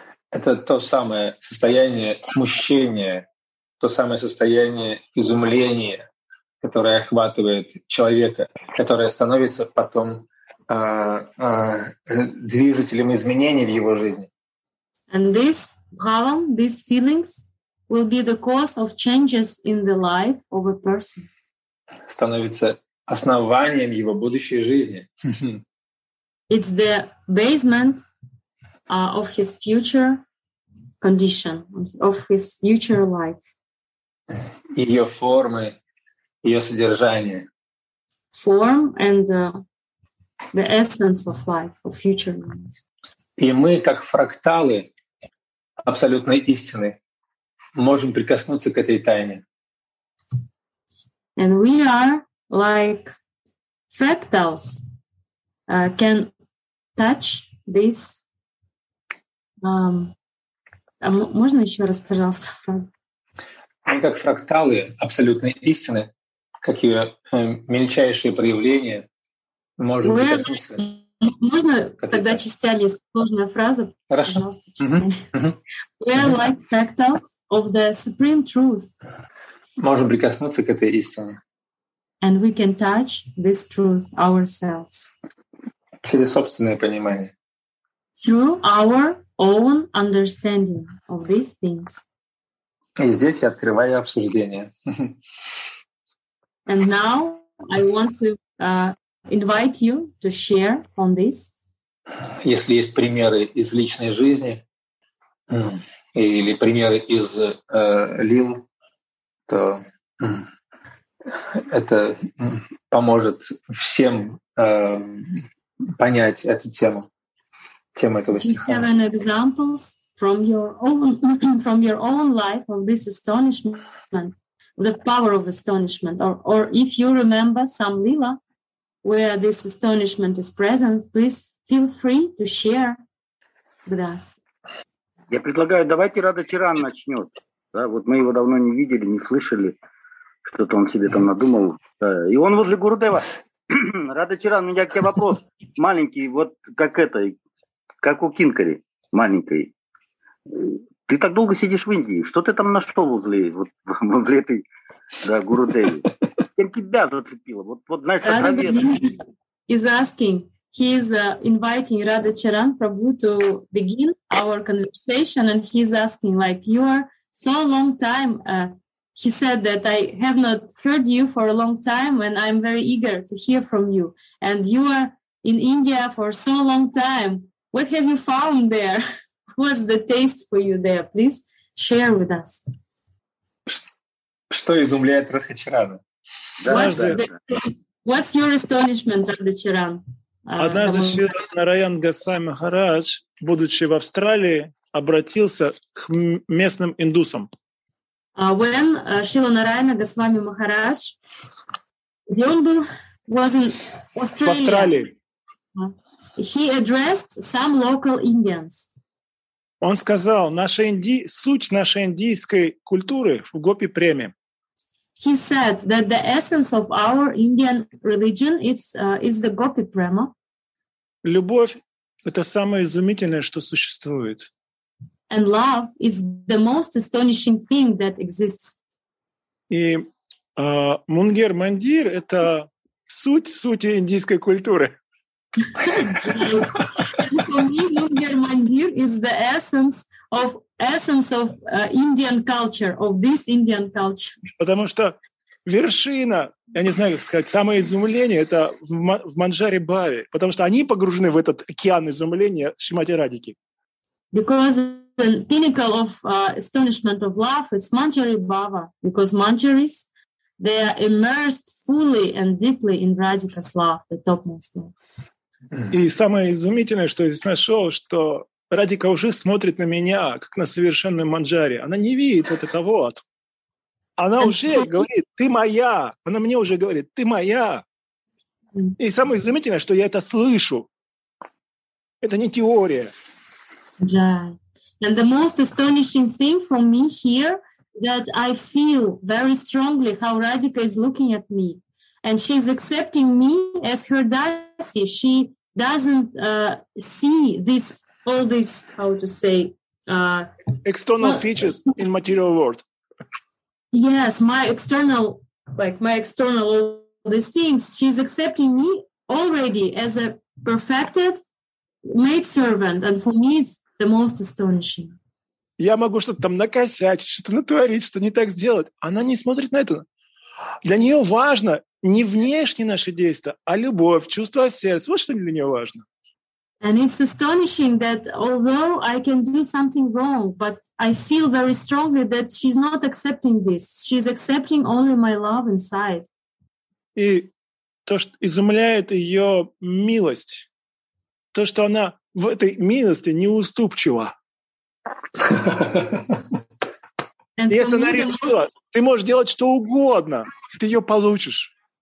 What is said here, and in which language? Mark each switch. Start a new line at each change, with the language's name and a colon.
Russian: Это то самое состояние смущения, то самое состояние изумления, которое охватывает человека, которое становится потом движителем изменений в его жизни.
English: And this bhava, these feelings, will be the cause of changes in the life of a person.
Russian: Становится основанием его будущей жизни.
English: It's the basement of his future. Condition of his future life.
Russian: Ее формы, ее содержание.
English: Form and the essence of life, of future life.
Russian: И мы, как фракталы абсолютной истины, можем прикоснуться к этой тайне.
English: And we are like fractals, can touch this.
Russian: А можно еще раз, пожалуйста, фразу? Мы как фракталы абсолютной истины, как ее мельчайшие проявления, можем прикоснуться. Можно тогда частями сложная фраза? Хорошо. Пожалуйста, частями.
English: We are like fractals of the supreme truth.
Russian: Можем прикоснуться к этой истине.
English: And we can touch this truth ourselves.
Russian: Через собственное понимание.
English: Through our own understanding of these things.
Russian: И здесь я открываю обсуждение.
English: And now I want to invite you to share on this.
Russian: Если есть примеры из личной жизни или примеры из лил, то это поможет всем понять эту тему. Тема этого стиха.
English: If you have any examples from your own life of this astonishment, the power of astonishment, or if you remember some lila where this astonishment is present, please feel free to share with us.
Russian: Я предлагаю, давайте Рада Чиран начнет. Да, вот мы его давно не видели, не слышали. Что-то он себе там надумал. И он возле Гурудева. Рада Чиран, у меня к тебе вопрос. Маленький, вот как это, как у Кинкари, маленький. Ты так долго сидишь в Индии. Что ты там нашел возле, вот, возле этой, да, Гурудеви? Чем тебя зацепило? Вот знаешь, как
English: Рада is asking. He is inviting Radha Charan Prabhu to begin our conversation, and he's asking, like, you are so long time. He said that I have not heard you for a long time, and I'm very eager to hear from you. And you are in India for so long time. What have you found there? What's the taste for you there? Please share with us.
Russian: Что изумляет Радха Чарана?
English: What's your astonishment, Radha Charan?
Russian: Однажды Шрила Нараян Госвами Махарадж, будучи в Австралии, обратился к местным индусам.
English: When Шрила Нараян Госвами Махарадж,
Russian: где он был,
English: was in Australia.
Russian: В Австралии.
English: He addressed some local Indians.
Russian: Он сказал, суть нашей индийской культуры в гопи-преме.
English: He said that the essence of our Indian religion is the gopi-prema.
Russian: Любовь — это самое изумительное, что существует.
English: And love is the most astonishing thing that exists.
Russian: И мунгер мандир — это суть индийской культуры.
English: For me, мунгер мандир is the essence of Indian culture, of this Indian culture.
Russian: Потому что вершина, я не знаю, как сказать, самое изумление — это в Манджари Бхаве, потому что они погружены в этот океан изумления Шримати Радики.
English: Because the pinnacle of astonishment of love is Manjari Bhava, because Manjaris, they are immersed fully and deeply in Radhika's love, the topmost love.
Russian: И самое изумительное, что я здесь нашел, что Радика уже смотрит на меня, как на совершенную Манджари. Она не видит вот это вот. Она уже говорит, ты моя. Она мне уже говорит, ты моя. И самое изумительное, что я это слышу. Это не теория. Да.
English: And the most astonishing thing for me here that I feel very strongly how Radhika is looking at me. And she's accepting me as her dasi. She doesn't see this, all this, how to say... External features in material world. Yes, my external all these things, she's accepting me already as a perfected maid servant, and for me it's the most astonishing.
Russian: Я могу что-то там накосячить, что-то натворить, что-то не так сделать. Она не смотрит на это. Для нее важно не внешние наши действия, а любовь, чувство в сердце. Вот что для нее важно.
English: And it's astonishing that although I can do something wrong, but I feel very strongly that she's not accepting this. She's accepting only my love inside.
Russian: И то, что изумляет ее милость, то, что она в этой милости неуступчива. Если она решила, ты можешь делать что угодно, ты ее получишь.